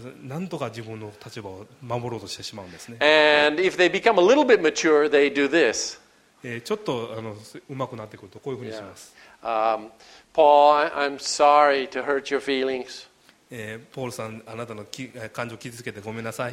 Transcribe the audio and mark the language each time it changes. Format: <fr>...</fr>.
<ja>なんとか自分の立場を守ろうとしてしまうんですね。</ja> <en>And if they become a little bit mature, they do this.</en> <ja>ちょっと上手くなってくるとこういうふうにします。</ja> <en>Paul, I'm sorry to hurt your feelings.</en> <ja>ポールさん、あなたの感情を傷つけてごめんなさい。</ja>